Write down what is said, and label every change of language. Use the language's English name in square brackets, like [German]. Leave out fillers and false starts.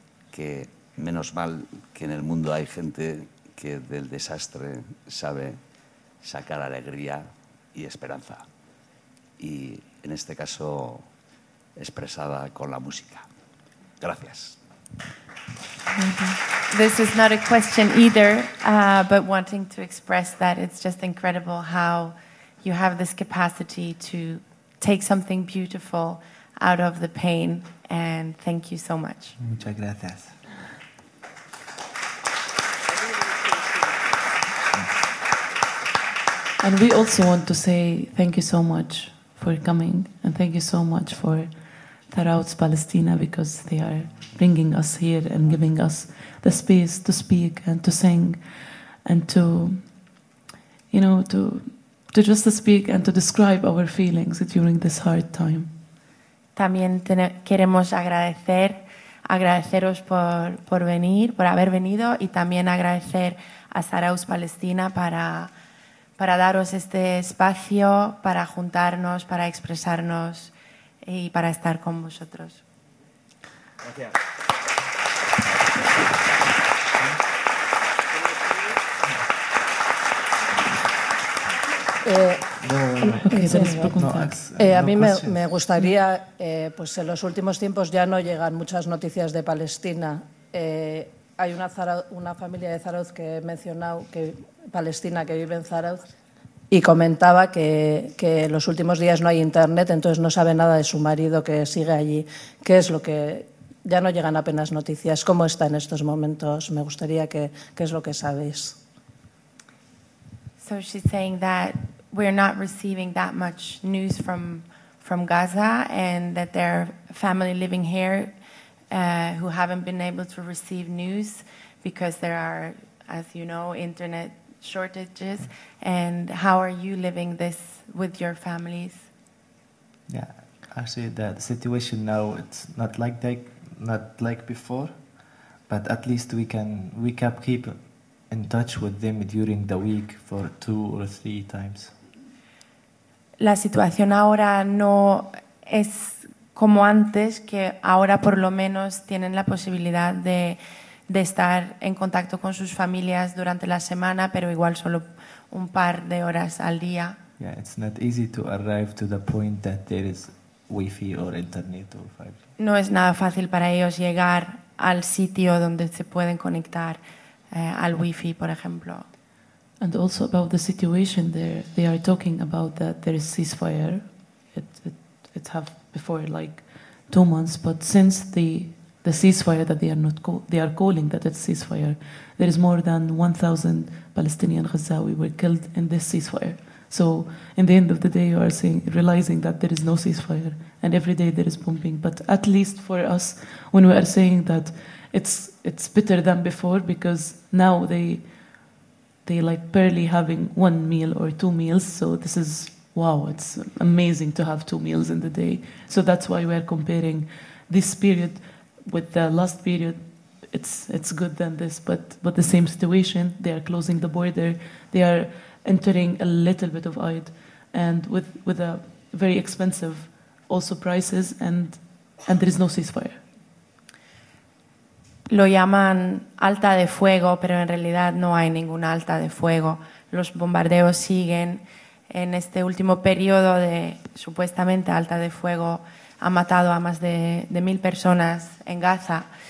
[Spanish] Que menos mal que en el mundo hay gente que del desastre sabe sacar alegría y esperanza. Y en este caso expresada con la música. Gracias. [English] This is not a question either, but wanting to express that it's just incredible how you have this capacity to take something beautiful out of the pain, and thank you so much. [Spanish] Muchas gracias. [English] And we also want to say thank you so much for coming, and thank you so much for Tarauz Palestina, because they are bringing us here and giving us the space to speak and to sing and to, you know, to just speak and to describe our feelings during this hard time. [Spanish] También queremos agradeceros por venir, por haber venido, y también agradecer a Tarauz Palestina para daros este espacio, para juntarnos, para expresarnos y para estar con vosotros. Gracias. A mí me gustaría, pues en los últimos tiempos ya no llegan muchas noticias de Palestina. Hay una familia de Zarauz que he mencionado, Palestina, que vive en Zarauz, y comentaba que en los últimos días no hay internet, entonces no sabe nada de su marido que sigue allí. ¿Qué es lo que...? Ya no llegan apenas noticias. ¿Cómo está en estos momentos? Me gustaría que... ¿Qué es lo que sabéis? [English] So she's saying that we're not receiving that much news from Gaza, and that their family living here who haven't been able to receive news because there are, as you know, internet shortages. And how are you living this with your families? Yeah, actually the situation now, it's not like before, but at least we can keep in touch with them during the week for 2 or 3 times. [Spanish] La situación ahora no es como antes, que ahora por lo menos tienen la posibilidad de estar en contacto con sus familias durante la semana, pero igual solo un par de horas al día. [English] Yeah, it's not easy to arrive to the point that there is wifi or internet or 5G. [Spanish] No es nada fácil para ellos llegar al sitio donde se pueden conectar al wifi, por ejemplo. [English] And also about the situation there, they are talking about that there is ceasefire. It have before like 2 months, but since the ceasefire that they are calling that it's ceasefire, there is more than 1,000 Palestinian Gazawi were killed in this ceasefire. So in the end of the day, you are realizing that there is no ceasefire, and every day there is bombing. But at least for us, when we are saying that it's better than before, because now they like barely having 1 meal or 2 meals. So this is, wow, it's amazing to have 2 meals in the day. So that's why we are comparing this period with the last period. It's good than this, but the same situation. They are closing the border. They are entering a little bit of aid, and with a very expensive also prices, and there is no ceasefire. [Spanish] Lo llaman alta de fuego, pero en realidad no hay ninguna alta de fuego. Los bombardeos siguen. En este último periodo de supuestamente alta de fuego, ha matado a más de 1,000 personas en Gaza.